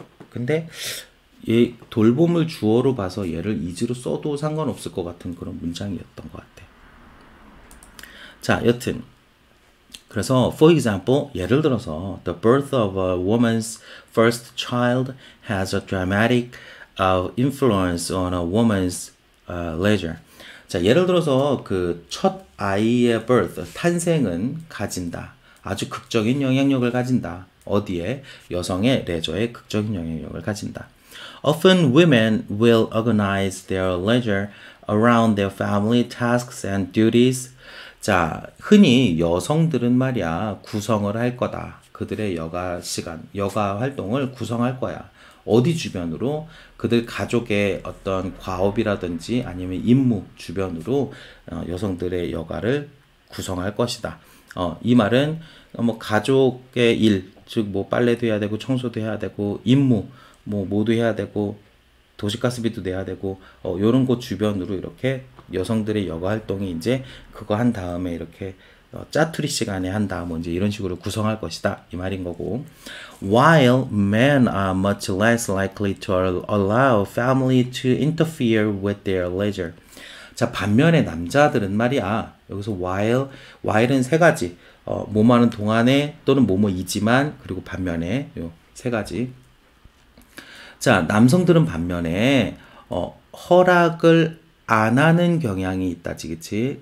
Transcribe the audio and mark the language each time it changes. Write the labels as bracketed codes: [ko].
[ko] 근데 얘 돌봄을 주어로 봐서 얘를 is로 써도 상관없을 것 같은 그런 문장이었던 것 같아. 자, 여튼 그래서 [en] for example 예를 들어서 the birth of a woman's first child has a dramatic influence on a woman's leisure. [ko] 자, 예를 들어서 그첫 아이의 birth, 탄생은 가진다. 아주 극적인 영향력을 가진다. 어디에? 여성의 레저에 극적인 영향력을 가진다. [en] Often women will organize their leisure around their family tasks and duties. [ko] 자, 흔히 여성들은 말이야, 구성을 할 거다. 그들의 여가 시간, 여가 활동을 구성할 거야. 어디 주변으로? 그들 가족의 어떤 과업이라든지 아니면 임무 주변으로 여성들의 여가를 구성할 것이다. 이 말은 뭐 가족의 일, 즉뭐 빨래도 해야 되고 청소도 해야 되고 임무 뭐 모두 해야 되고 도시가스비도 내야 되고 요런 거 주변으로 이렇게 여성들의 여가 활동이 이제 그거 한 다음에 이렇게 짜투리 시간에 한 다음 이제 이런 식으로 구성할 것이다 이 말인 거고. [en] While men are much less likely to allow family to interfere with their leisure. [ko] 자, 반면에 남자들은 말이야. 여기서 while은 세 가지. 뭐뭐는 동안에 또는 뭐뭐이지만 그리고 반면에 요세 가지. 자, 남성들은 반면에 허락을 안 하는 경향이 있다지, 그치?